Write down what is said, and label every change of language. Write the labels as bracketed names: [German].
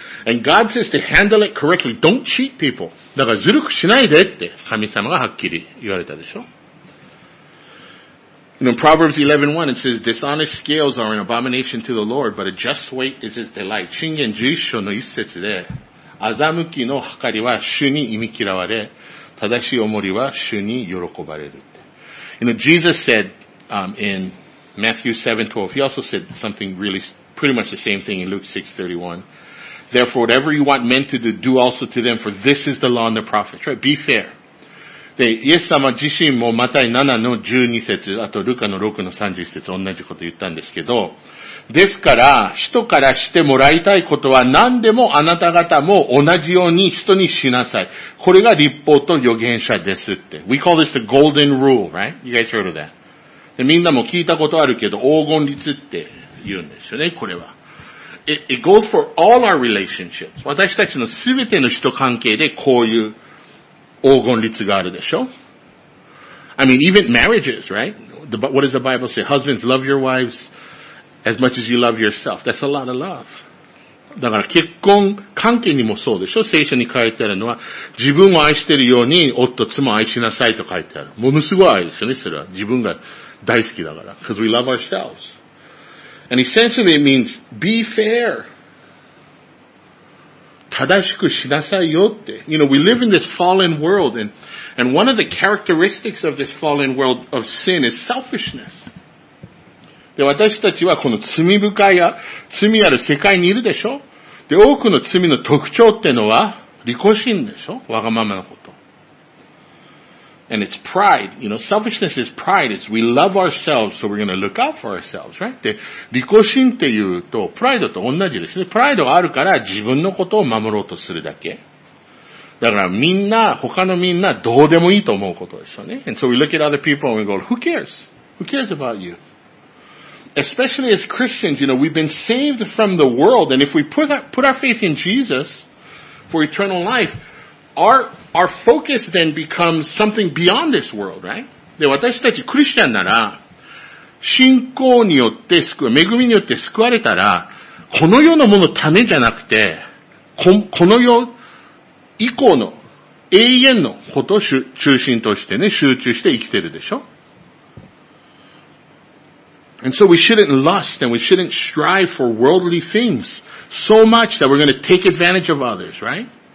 [English] And God says to handle it correctly. Don't cheat people. [Japanese] だからずるくしないでって神様がはっきり言われたでしょ。 [English] In Proverbs 11:1, it says, dishonest scales are an abomination to the Lord, but a just weight is his delight. [Japanese] 箴言11章の一節で、欺きの計りは主に忌み嫌われ、正しい重りは主に喜ばれるって。 [English] You know, Jesus said, in Matthew 7:12, he also said something really, pretty much the same thing in Luke 6:31. Therefore, whatever you want men to do, do also to them, for this is the law and the prophets, right? Be fair. [Japanese] で、イエス様自身もマタイ7の12節、あとルカの6の30節、同じこと言ったんですけど、ですから、人からしてもらいたいことは何でもあなた方も同じように人にしなさい。これが立法と預言者ですって。 [English] We call this the golden rule, right? You guys heard of that. [Japanese] で、みんなも聞いたことあるけど、黄金律って言うんですよね、これは。 [English] It goes for all our relationships. [Japanese] 私たちのすべての人関係でこういう黄金律があるでしょ。 [English] I mean, even marriages, right? What does the Bible say? Husbands, love your wives as much as you love yourself. That's a lot of love. [Japanese] だから結婚関係にもそうでしょ。聖書に書いてあるのは、自分を愛しているように夫と妻を愛しなさいと書いてある。ものすごい愛ですよね、それは。自分が大好きだから。 [English] Because we love ourselves. And essentially it means, be fair. [Japanese] 正しくしなさいよって。 [English] You know, we live in this fallen world, and one of the characteristics of this fallen world of sin is selfishness. [Japanese] で、私たちはこの罪深いや、罪ある世界にいるでしょ？で、多くの罪の特徴ってのは、利己心でしょ？わがままなこと。 [English] And it's pride. You know, selfishness is pride. It's we love ourselves, so we're going to look out for ourselves, right? [Japanese] で、利己心って言うと、プライドと同じですね。プライドがあるから自分のことを守ろうとするだけ。だからみんな、他のみんな、どうでもいいと思うことですよね。 [English] And so we look at other people and we go, who cares? Who cares about you? Especially as Christians, you know, we've been saved from the world, and if we put our faith in Jesus for eternal life, our focus then becomes something beyond this world, right? [Japanese] で、私たちクリスチャンなら、信仰によって恵みによって救われたら、この世のもの種じゃなくて、この世以降の永遠のことを中心としてね、集中して生きてるでしょ。 [English] And so we shouldn't lust and we shouldn't strive for worldly things so much that we're going to take advantage of others, right?